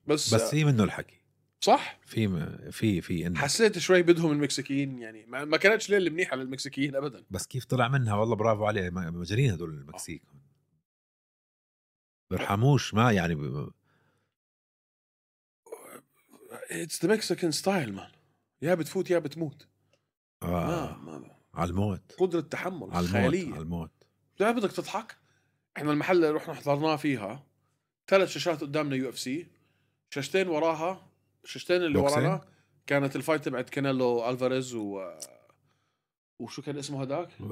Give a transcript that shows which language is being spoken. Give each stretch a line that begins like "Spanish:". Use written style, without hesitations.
Arabic: بس في منه الحكي صح في حسيت شوي بدهم المكسيكيين يعني ما كانتش ليلة منيحة للمكسيكيين ابدا بس كيف طلع منها والله برافو عليه مجرين هدول المكسيك برحموش ما يعني
English: it's the Mexican style man
Arabic: يا بتفوت يا بتموت على الموت قدرة التحمل على الموت لا بدك تضحك احنا المحل اللي رحنا حضرناه فيها ثلاث شاشات قدامنا يو اف سي شاشتين وراها شاشتين اللي بوكسين. ورانا كانت الفايت تبعت كانيلو الفاريز وشو كان اسمه هداك